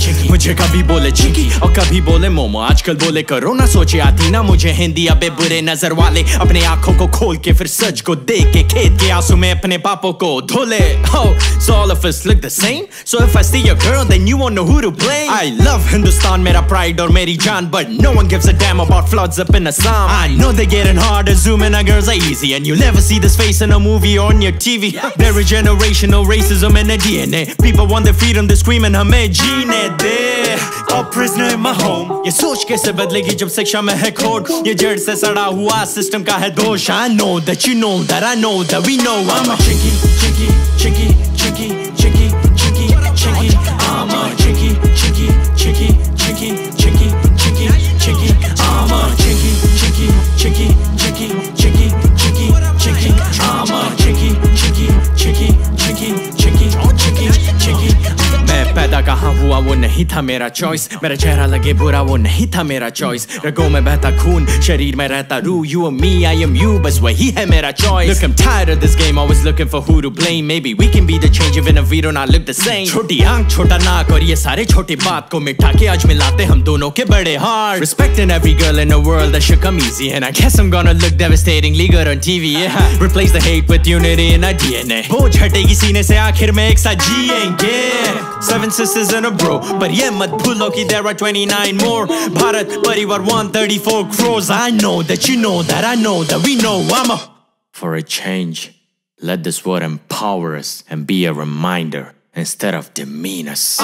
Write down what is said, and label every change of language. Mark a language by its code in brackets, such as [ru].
[hi] मुझे कभी बोले चिंकी और कभी बोले मोमो, आजकल बोले करो ना सोचे आती ना मुझे हिंदी, अबे बुरे नजर वाले अपने आंखों को खोल के फिर सच को देख के खेद के आंसू में अपने पापों को धोले। [en] Oh, so all of us look the same, so if I see your girl then you won't know who to blame. I love Hindustan, [hi] मेरा pride और मेरी जान, [en] but no one gives a damn about floods up in Assam. I know they getting harder, zooming our girls are easy, and you never see this face in a movie or on your TV. There is generational racism in the DNA, people want their freedom, they're screaming [hi] Hume Jeene de. [en] Yeah, a prisoner in my home. [hi] ये सोच कैसे बदलेगी जब शिक्षा में है खोड, ये जड़ से सड़ा हुआ सिस्टम का है दोष। [en] I know that you know that I know that we know. I'm a chinky, chinky, chinky, chinky, chinky, chinky, chinky. I'm a chinky, chinky, chinky, chinky, chinky, chinky, chinky. I'm a chinky, chinky, chinky, chinky, chinky, chinky, chinky. I'm a chinky, chinky, chinky, chinky, chinky, chinky, chinky. [hi] मैं पैदा कहाँ हुआ वो नहीं था मेरा choice, मेरा चेहरा लगे बुरा वो नहीं था मेरा चॉइस, रगों में बहता खून शरीर में रहता रू, [en] you और me I am you [hi] बस वही है मेरा choice. [en] Look, I'm tired of this game, always looking for who to blame, maybe we can be the change even if we do not look the same. [hi] छोटी आंख छोटा नाक और ये सारे छोटे बात को मिटा के आज मिलाते हम दोनों के बड़े heart. [en] Respecting every girl in the world that should come easy, and I guess I'm gonna look devastatingly good on TV. Yeah. Replace the hate with unity in our DNA, [hi] बोझ हटेगी सीने से आखिर में एक साथ जिएंगे। [en] Seven sisters and a bro, but yeah, [hi] mat bhulo ki [en] there are 29 more. Bharat parivar 134 crores. I know that you know that I know that we know. I'm a for a change. Let this world empower us and be a reminder instead of demean us.